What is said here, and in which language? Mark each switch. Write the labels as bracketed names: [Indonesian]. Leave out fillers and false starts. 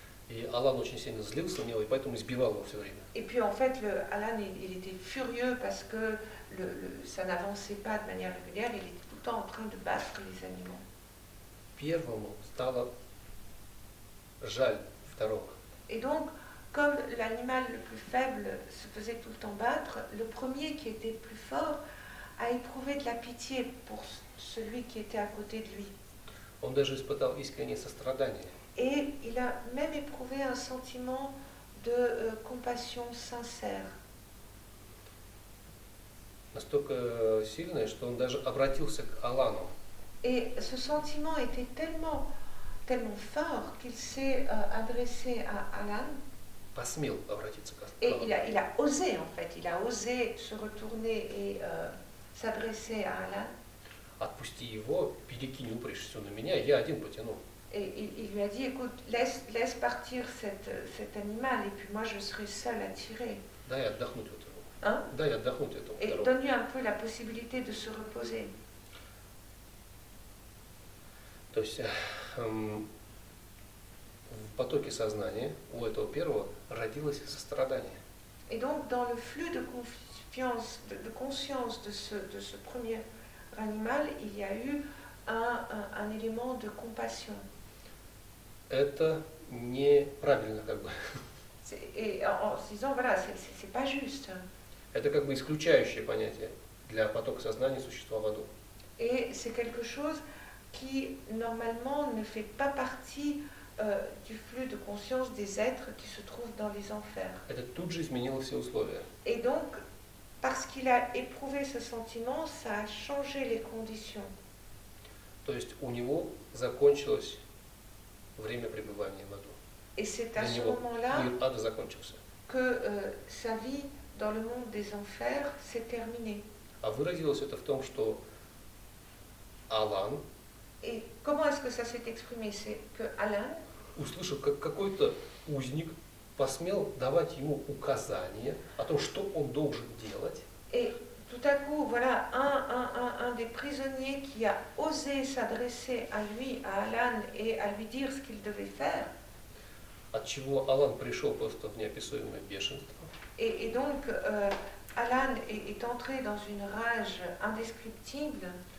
[Russian] И Алан очень сильно злился на него, и поэтому избивал его все время. [French] Et puis en fait, Alan il était furieux parce que ça n'avançait pas de manière régulière. Il était tout le temps en train de battre les animaux. [Russian] Первому стало жаль второго. [French] Et donc, comme l'animal le plus faible se faisait tout le temps battre, le premier qui était plus fort a éprouvé de la pitié pour celui qui était à côté de lui. [Russian] Он даже испытал искреннее сострадание. [French] Et il a même éprouvé un sentiment de compassion sincère. [Russian] Настолько сильное, что он даже обратился к Алану. [French] Et ce sentiment était tellement, tellement fort qu'il s'est adressé à Alan. [Russian] Посмел обратиться к Алану. [French] Et il a osé, en fait, il a osé se retourner et s'adresser à Alan. [Russian] Отпусти его, перекинь упряжь все на меня, я один потяну. [French] Et il lui a dit, écoute, laisse partir cet animal, et puis moi je serai seule à tirer. Et donne-lui un peu la possibilité de se reposer. [Russian] То есть в потоке сознания у этого первого родилось сострадание. [French] Et donc dans le flux de confiance, de conscience de ce premier animal, il y a eu un élément de compassion. [Russian] Это неправильно, как бы. [French] Et en se disant, voilà, c'est pas juste. [Russian] Это как бы исключающее понятие для потока сознания существа в аду. [French] Et c'est quelque chose qui normalement ne fait pas partie du flux de conscience des êtres qui se trouvent dans les enfers. [Russian] Это тут же изменило все условия. [French] Et donc, parce qu'il a éprouvé ce sentiment, ça a changé les conditions. [Russian] То есть у него закончилось время пребывания в аду. [French] Et c'est à ce moment-là que sa vie dans le monde des enfers s'est terminée. [Russian] А выразилось это в том, что Алан. [French] Et comment est-ce que ça s'est exprimé? C'est que Alain, [Russian] услышав, как какой-то узник посмел давать ему указания о том, что он должен делать. [French] Et tout à coup, voilà, un des prisonniers qui a osé s'adresser à lui, à Alain, et à lui dire ce qu'il devait faire. [Russian] Отчего Алан пришел просто в неописуемое бешенство. [French] Et donc, Alain est entré dans une rage indescriptible.